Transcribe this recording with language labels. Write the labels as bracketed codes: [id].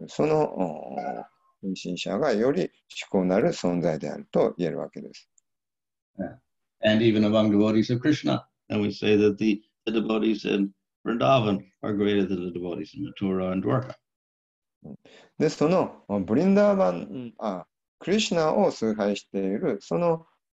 [ja] その献身者がより至高なる存在であると言えるわけです。 [en] Yeah. And even among devotees of Krishna, then we say that the devotees in Vrindavan are greater than the devotees in Mathura and Dwarka. [ja] で、そのブリンダーバン、クリシナを崇拝している、その